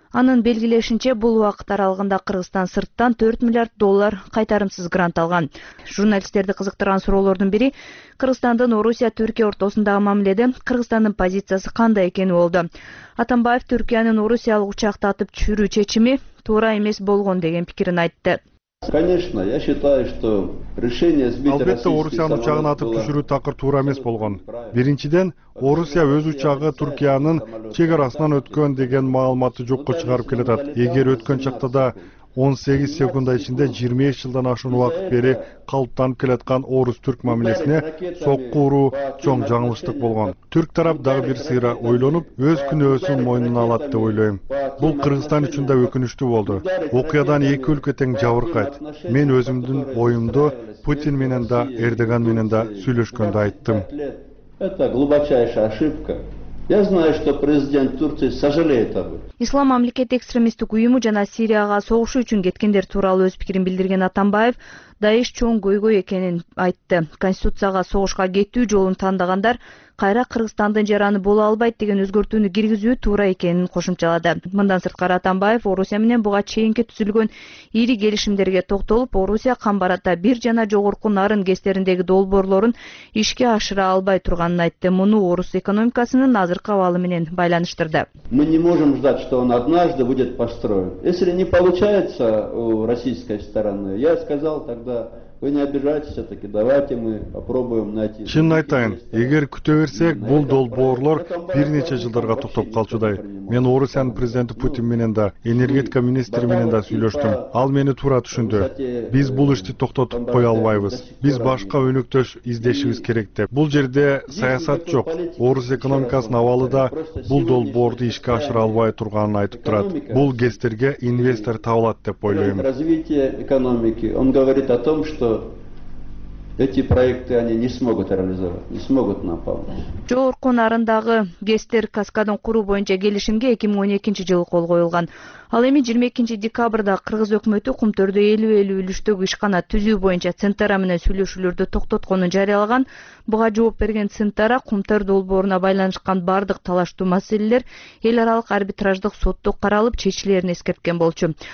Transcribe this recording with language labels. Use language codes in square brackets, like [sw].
[ky] Анын белгилешинче, бул убакыт аралыгында Кыргызстан сырттан 4 миллиард доллар кайтарымсыз грант алган. Журналисттерди кызыктырган суроолордун бири Кыргызстандын Орусия Түркия ортосундагы мамиледе Кыргызстандын позициясы кандай экени болду. Атамбаев Түркиянын орусиялык учакты атып түшүрүү чечими туура эмес болгон деген пикирин айтты. [ru] Конечно, я считаю, что решение сбить [ky] Албетте, российский Орусиянын учагын атып түшүрүү такыр туура эмес болгон. Биринчиден, Орусия өз учагы Түркиянын чек арасынан өткөн деген маалыматты жокко чыгарып келатат. Эгер өткөн чакта да 18 секунда ичинде 25 жылдан ашуун убакыт бери калыптанып келаткан орус түрк мамилесине сокку уруу чоң жаңылыштык болгон. Түрк тарап дагы бир сыйра ойлонуп, өз күнөөсүн мойнуна алат деп ойлойм. Бул Кыргызстан үчүн да өкүнүчтүү болду. Окуядан эки өлкө тең жабыркайт. Мен өзүмдүн оюмду Путин менен да Эрдоган менен да сүйлөшкөндө айттым. [ru] Это глубочайшая ошибка. Я знаю, что президент Турции сожалеет об этом. [ky] Ислам мамлекети экстремисттик уюму жана Сирияга согушу үчүн кеткендер тууралуу өз пикирин билдирген Атамбаев ДАИШ чоң көйгөй экенин айтты. Конституцияга согушка кетүү жолун тандагандар кайра Кыргызстандын жараны боло албайт деген өзгөртүүнү киргизүү туура экенин кошумчалады. Мындан сырткары Атамбаев Орусия менен буга чейинки түзүлгөн ири келишимдерге токтолуп, Орусия кам барата бир жана жогорку Нарын гестериндеги долбоорлорун ишке ашыра албай турганын айтты. Муну орус экономикасынын азыркы абалы менен байланыштырды. [ru] Мы не можем ждать, что он однажды будет построен. Если не получается у российской стороны, я сказал тогда. Вы не обижайтесь, все-таки давайте мы попробуем найти. [ky] Чын айтайын, эгер күтө берсек, бул долбоорлор бир нече жылдарга токтоп калчудай. Мен Орусиянын президенти Путин менен да, энергетика министри менен да сүйлөштүм. Ал мени туура түшүндү. Биз бул ишти токтотуп кое албайбыз. Биз башка өнөктөш издешибиз керек деп. Бул жерде саясат жок. Орус экономикасынын абалы да бул долбоорду ишке ашыра албай турганын айтып турат. Бул гестерге инвестор табылат деп ойлойм. [ru] Развитие экономики. Он говорит о том, что эти проекты они не смогут реализовать, не смогут наполнить. [ky] Жогорку Нарындагы гестер каскадын куруу боюнча келишимге 2012 жылы кол коюлган. Ал эми 22 декабрда кыргыз өкмөтү Кумтөрдө 50-50 үлүштөгү ишкана түзүү боюнча Центара менен сүйлөшүүлөрдү токтотконун жарыялаган. Буга жооп берген Центара Кумтөр долбооруна байланышкан бардык талаштуу маселелер эл аралык арбитраждык сотто каралып чечилерин эскерткен болчу.